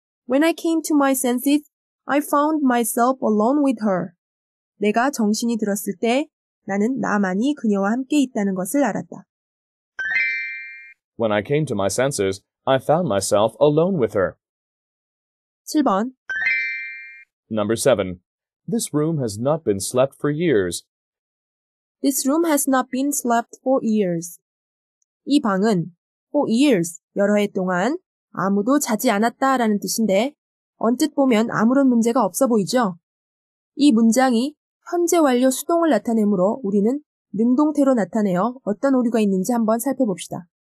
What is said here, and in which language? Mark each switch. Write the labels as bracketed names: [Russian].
[English] When I came to my senses, I found myself alone with her. [Korean] 내가 정신이 들었을 때 나는 나만이 그녀와 함께 있다는 것을 알았다. [English] When I came to my senses, I found myself alone with her. [Korean] 7번 [English] Number 7. This room has not been slept for years. This room has not been slept for years. [Korean] 이 방은 [English] for years, [Korean] 여러 해 동안 아무도 자지 않았다 라는 뜻인데 언뜻 보면 아무런 문제가 없어 보이죠? 이 문장이 현재 완료 수동을 나타내므로 우리는 능동태로 나타내어 어떤 오류가 있는지 한번 살펴봅시다.